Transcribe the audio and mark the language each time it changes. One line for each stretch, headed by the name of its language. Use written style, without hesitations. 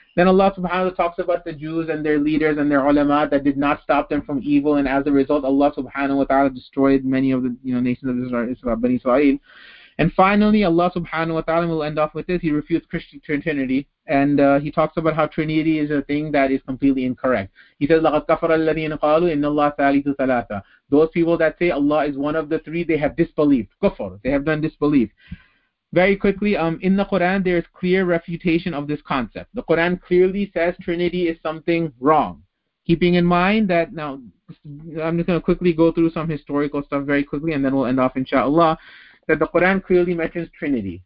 English: Then Allah subhanahu wa ta'ala talks about the Jews and their leaders and their ulama that did not stop them from evil. And as a result, Allah subhanahu wa ta'ala destroyed many of the nations of Israel, Bani Israel. And finally, Allah subhanahu wa ta'ala will end off with this. He refutes Christian Trinity. And he talks about how Trinity is a thing that is completely incorrect.
Arabic: He says, لَقَدْ كَفَرَ الَّذِينَ قَالُوا إِنَّ اللَّهَ ثَالِثُ ثَلَاثًا.
English: Those people that say Allah is one of the three, they have disbelieved. Kufr. They have done disbelief. Very quickly, in the Quran, there is clear refutation of this concept. The Quran clearly says Trinity is something wrong. Keeping in mind that, now, I'm just going to quickly go through some historical stuff very quickly, and then we'll end off, inshallah, that the Quran clearly mentions Trinity.